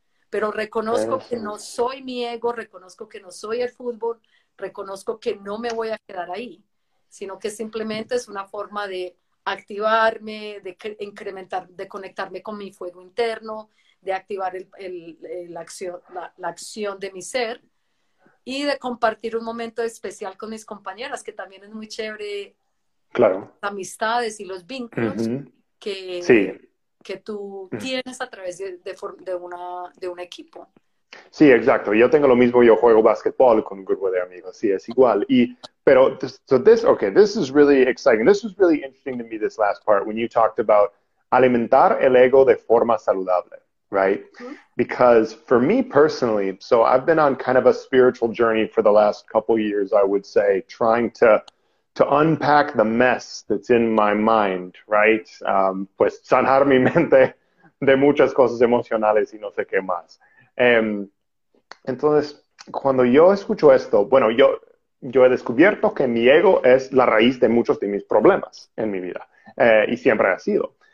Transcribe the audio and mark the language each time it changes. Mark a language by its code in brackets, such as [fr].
[es] Pero reconozco que no soy mi ego, reconozco que no soy el fútbol, reconozco que no me voy a quedar ahí, sino que simplemente es una forma de activarme, de incrementar, de conectarme con mi fuego interno, de activar la acción de mi ser y de compartir un momento especial con mis compañeras, que también es muy chévere. Claro. Las amistades y los vínculos que, sí, que tú tienes a través de un equipo. Sí, exacto. Yo tengo lo mismo. Yo juego básquetbol con un grupo de amigos. Sí, es igual. Y, pero, this is really exciting. [en] This is really interesting to me, this last part, when you talked about alimentar el ego de forma saludable, right? Because for me personally, so I've been on kind of a spiritual journey for the last couple years, I would say, trying to unpack the mess that's in my mind, right? [es] Pues sanar mi mente de muchas cosas emocionales y no sé qué más. Entonces, cuando yo escucho esto, bueno, yo he descubierto que mi ego es la raíz de muchos de mis problemas en mi vida, y siempre ha sido.